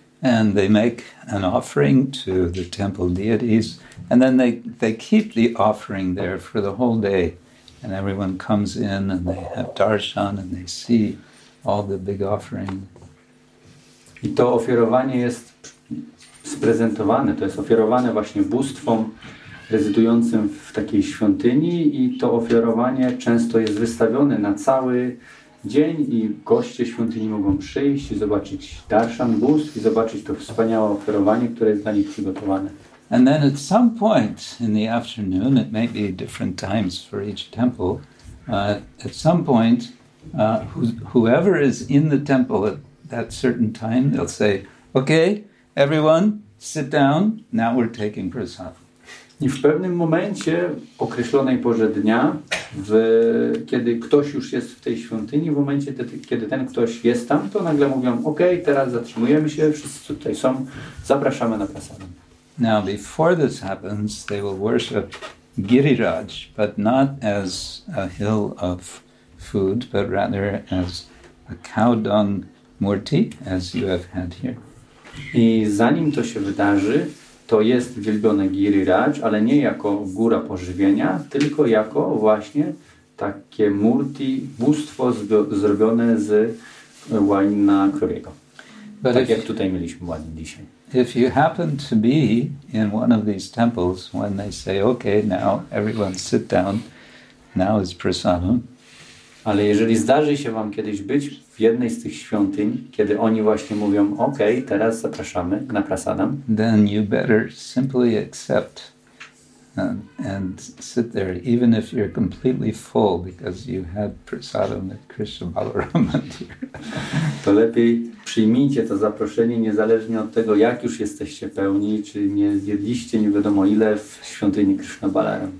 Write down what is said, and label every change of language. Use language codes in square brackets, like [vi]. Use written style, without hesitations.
[en] And they make an offering to the temple deities and then they keep the offering there for the whole day and everyone comes in and they have darshan and they see all the big offering. [pl] I to ofiarowanie jest sprezentowane, to jest ofiarowane właśnie bóstwom rezydującym w takiej świątyni i to ofiarowanie często jest wystawione na cały dzień i goście świątyni mogą przyjść i zobaczyć darshan bóstw i zobaczyć to wspaniałe ofiarowanie, które jest dla nich przygotowane. [en] And then at some point in the afternoon, it may be different times for each temple, at some point whoever is in the temple at that certain time, they'll say, okay, everyone, sit down, now we're taking prasad. [pl] I w pewnym momencie, określonej porze dnia, kiedy ktoś już jest w tej świątyni, w momencie, kiedy ten ktoś jest tam, to nagle mówią, okej, teraz zatrzymujemy się, wszyscy tutaj są, zapraszamy na prasadę. [en] Now, before this happens, they will worship Giriraj, but not as a hill of food, but rather as a cow dung murti, as you have had here. [pl] I zanim to się wydarzy, to jest wielbione Giriraj, ale nie jako góra pożywienia, tylko jako właśnie takie murti, bóstwo zrobione z łajna krowiego. But tak if, jak tutaj mieliśmy łajnę dzisiaj. [en] If you happen to be in one of these temples when they say, okay, now everyone sit down, now is prasadam. [pl] Ale jeżeli zdarzy się wam kiedyś być w jednej z tych świątyń, kiedy oni właśnie mówią, okej, teraz zapraszamy na prasadam, [en] then you better simply accept and sit there, even if you're completely full, because you had prasadam at Krishna Balaramandir. [pl] To lepiej przyjmijcie to zaproszenie, niezależnie od tego, jak już jesteście pełni, czy nie zjedliście nie wiadomo ile w świątyni Krishna Balaram.